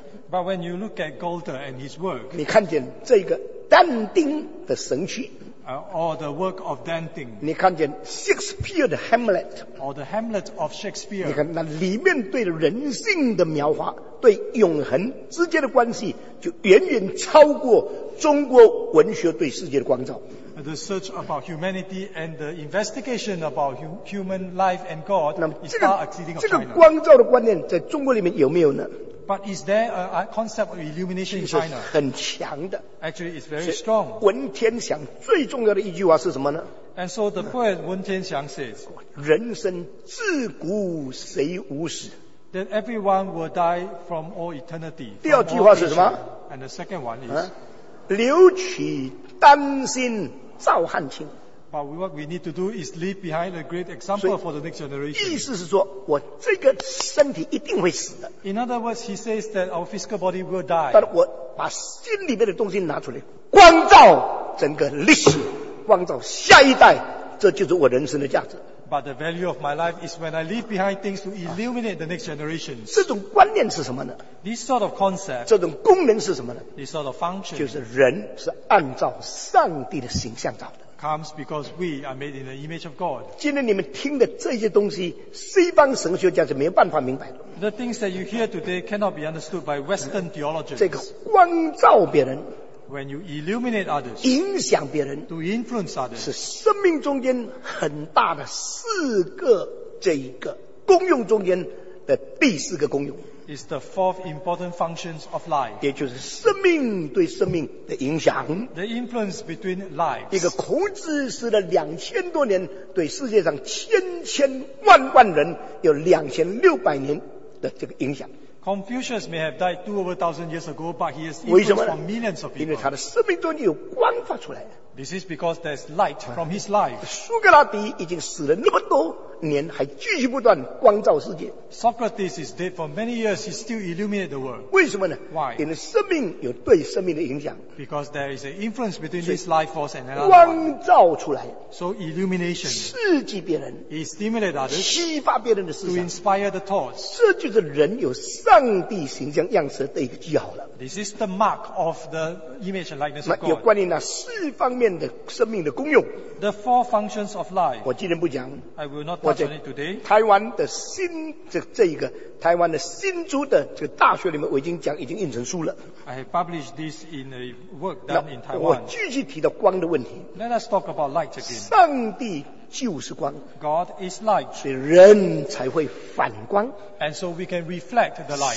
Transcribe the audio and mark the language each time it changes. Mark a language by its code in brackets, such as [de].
[en] But when you look at Golder and his work, [zh] 你看见这个但丁的神曲。 [en] Or the work of Dante. [zh] 你看见 Shakespeare 的 Hamlet. [en] Or the Hamlet of Shakespeare. [zh] 你看那里面对人性的描画，对永恒之间的关系，就远远超过中国文学对世界的光照。 [en] The search about humanity and the investigation about human life and God is far exceeding China. [zh] 这个光照的观念在中国里面有没有呢？ [en] But is there a concept of illumination in China? [zh] 很强的。 [en] Actually, it's very strong. [zh] 文天祥最重要的一句话是什么呢？ [en] And so the poet 文天祥 says, [zh] 人生自古谁无死？ [en] That everyone will die from all eternity. [zh] 第二句话是什么？ [en] And the second one is, [zh] 留取丹心照汗青。 [en] But what we need to do is leave behind a great example for the next generation. [zh] 意思是说，我这个身体一定会死的。 [en] In other words, he says that our physical body will die. [zh] 但我把心里面的东西拿出来，光照整个历史，光照下一代，这就是我人生的价值。 [en] But the value of my life is when I leave behind things to illuminate the next generation. [zh] 这种观念是什么呢？ [en] This sort of concept. [zh] 这种功能是什么呢？ [en] This sort of function. [zh] 就是人是按照上帝的形象造的。 [en] Comes because we are made in the image of God. [zh] 今天你们听的这些东西，西方神学家是没有办法明白的。 [en] The things that you hear today cannot be understood by Western theologians. [zh] 这个光照别人 [en] ，when you illuminate others， [zh] 影响别人 [en] ，to influence others， [zh] 是生命中间很大的四个这一个功用中间的第四个功用。 [en] Is the fourth important functions of life. [zh] 也就是生命对生命的影响。 [en] The influence between lives. [zh] 一个孔子死了两千多年，对世界上千千万万人有两千六百年的这个影响。 [en] Confucius may have died 2,000 years ago, but he has influenced for millions of people. [zh] 因为他的生命中有光发出来。 [en] This is because there's light from his life. [zh] 苏格拉底已经死了那么多年，还继续不断光照世界。 [en] Socrates is dead for many years, he still illuminates the world. [zh] 为什么呢？ [en] Why? [zh] 因为生命有对生命的影响。 [en] Because there is an influence between this life force and another. [zh] 光照出来。 [en] So illumination. [zh] 刺激别人。 [en] He stimulates others. [zh] 激发别人的思想。 [en] To inspire the thoughts. [zh] 这就是人有上帝形象样式的一个记号了。 [en] This is the mark of the image and likeness of God. [zh] 有关于那四方面的生命的功用。 [en] The four functions of life. [zh] 我今天不讲。 [en] I will not touch on it today. [zh] 台湾的新这一个台湾的新竹的这个大学里面，我已经讲已经印成书了。 [en] I have published this in a work done in Taiwan. [zh] 我继续提到光的问题。 [en] Let us talk about light again. [zh] 上帝就是光。 [en] God is light. [zh] 所以人才会反光。 [en] And so we can reflect the light.